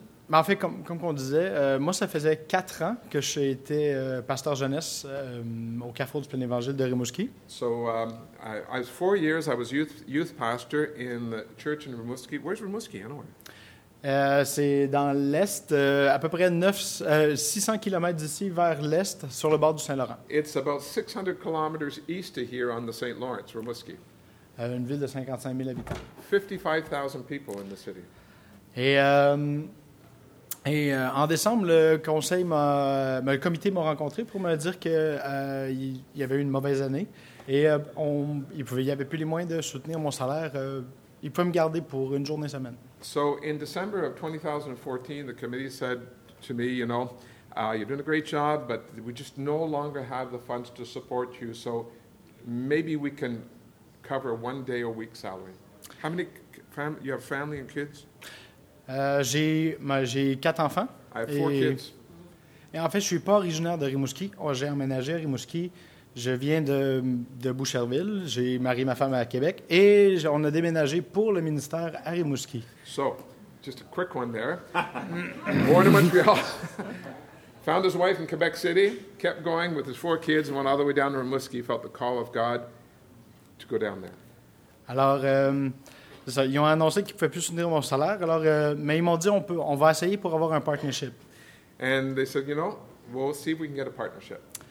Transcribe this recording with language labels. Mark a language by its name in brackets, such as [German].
[French] Mais en fait, comme on disait, moi, ça faisait 4 ans que j'ai été pasteur jeunesse au Carrefour du plein évangile de Rimouski. [English] So, I was 4 years, I was youth pastor in the church in Rimouski. Where's Rimouski, anyway? [French] C'est dans l'est, à peu près 600 kilomètres d'ici, vers l'est, sur le bord du Saint-Laurent. [English] It's about 600 kilometers east of here on the St. Lawrence, Rimouski. [French] Une ville de 55 000 habitants. [English] 55,000 people in the city. [French] Et en décembre, le comité m'a rencontré pour me dire qu'il y avait eu une mauvaise année et il n'y avait plus les moyens de soutenir mon salaire. Il pouvait me garder pour une journée semaine. [English] So in December of 2014, the committee said to me, you know, you're doing a great job, but we just no longer have the funds to support you. So maybe we can cover one day a week salary. How many you have family and kids? [French] J'ai 4 enfants. [English] I have 4 kids. [French] Et en fait, je ne suis pas originaire de Rimouski. Oh, j'ai emménagé à Rimouski. Je viens de Boucherville. J'ai marié ma femme à Québec. Et on a déménagé pour le ministère à Rimouski. [English] So, just a quick one there. Born in Montreal. Found his wife in Quebec City. Kept going with his 4 kids and went all the way down to Rimouski. Felt the call of God to go down there. [French] Alors... ça. Ils ont annoncé qu'ils ne pouvaient plus soutenir mon salaire, mais ils m'ont dit on va essayer pour avoir un partnership. [English] And they said, you know, we'll see if we can get a partnership.